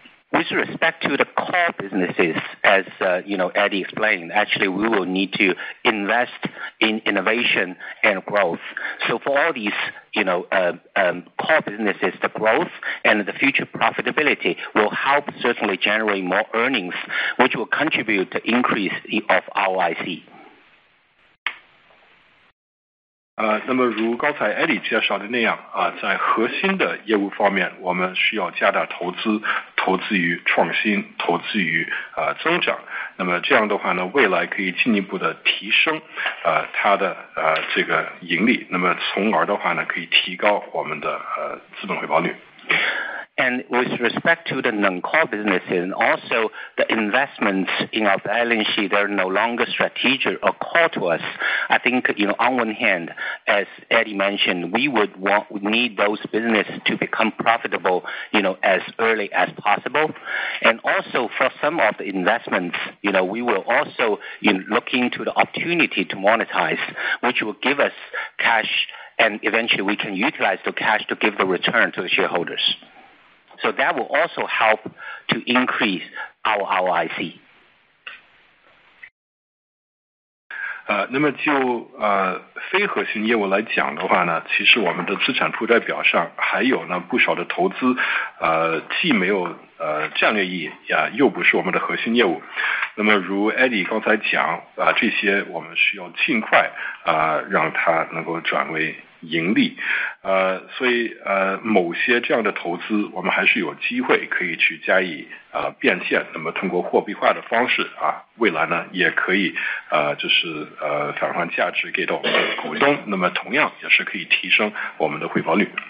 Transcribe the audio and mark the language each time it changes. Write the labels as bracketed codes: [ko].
[en] With respect to the core businesses, as Eddie explained, actually we will need to invest in innovation and growth. So for all these core businesses, the growth and the future profitability will help certainly generate more earnings, which will contribute to increase of ROIC. [zh] 那么如刚才 Eddie 介绍的那样啊，在核心的业务方面，我们需要加大投资，投资于创新，投资于增长。那么这样的话呢，未来可以进一步的提升它的这个盈利，那么从而的话呢，可以提高我们的资本回报率。 [en] And with respect to the non-core businesses and also the investments in our balance sheet, they're no longer strategic or core to us. I think, on one hand, as Eddie mentioned, we need those businesses to become profitable, as early as possible. And also for some of the investments, we will also look into the opportunity to monetize, which will give us cash and eventually we can utilize the cash to give the return to the shareholders. So that will also help to increase our ROIC. [zh] 那么就非核心业务来讲的话呢，其实我们的资产负债表上还有呢不少的投资，既没有战略意义啊，又不是我们的核心业务。那么如 Eddie 刚才讲啊，这些我们需要尽快啊，让它能够转为盈利，所以某些这样的投资我们还是有机会可以去加以变现，那么通过货币化的方式啊，未来呢也可以就是返还价值给到我们的股东，那么同样也是可以提升我们的回报率。